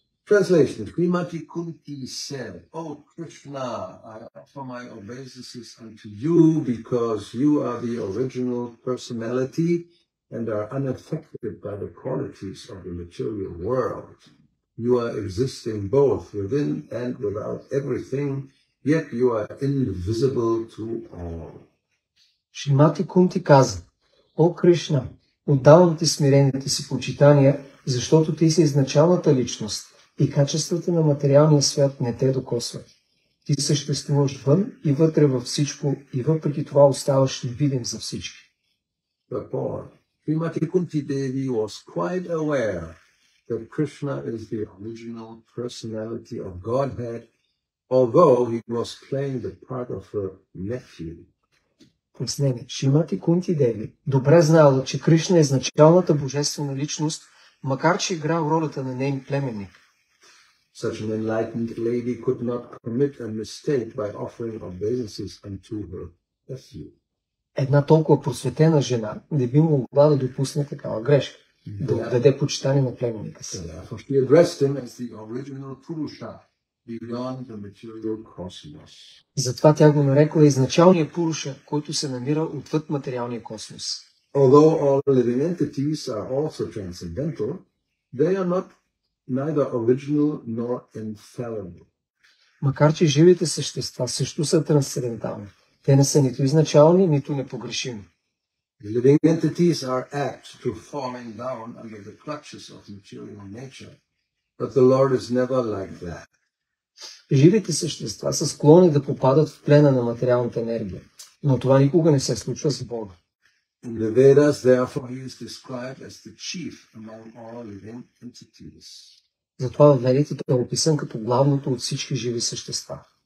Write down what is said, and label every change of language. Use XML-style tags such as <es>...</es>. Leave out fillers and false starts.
<en>Translation, Srimati Kunti said, oh Krishna, I offer my obeisances unto you because you are the original personality and are unaffected by the qualities of the material world. You are existing both within and without everything, yet you are invisible to all.</en> <bg>Srimati Kunti каза, о Кришна, отдавам ти смирените си почитания, защото ти си изначалната личност. И качествата на материалния свят не те докосват. Ти съществуваш вън и вътре във всичко и въпреки това оставаш невидим за всички.</bg> <en>Шримати Кунти Деви was quite aware that Krishna is the original personality of Godhead, although he was playing the part of her nephew.</en> <bg>Поснеме, Шримати Кунти Деви добре знала, че Кришна е изначалната божествена личност, макар че играл ролята на нейния племенник.</bg> <en>Such an enlightened lady could not commit a mistake by offering obeisances unto her nephew.</en> <bg>Една толкова просветена жена не би могла да допусне такава грешка, да отдаде почитание на племенника си.</bg> <en>For she addressed him as the original Purusha beyond the material cosmos.</en> <bg>Затова тя го нарекла изначалния Пуруша, който се намира отвъд материалния космос.</bg> <en>Although all living entities are also transcendental, they are not neither original nor infallible.</en> <bg>Макар че живите същества също са трансцендентални, те не са нито изначални, нито непогрешими.</bg> <en>Living entities are apt to falling down under the clutches of material nature, but the Lord is never like that.</en> <bg>Живите същества са склонни да попадат в плена на материалната енергия, но това никога не се случва с Бога.</bg> <en>The Vedas therefore he is described as the chief among all living entities.</en> <bg>Затова в Ведите той е описан като главното от всички живи същества.</bg>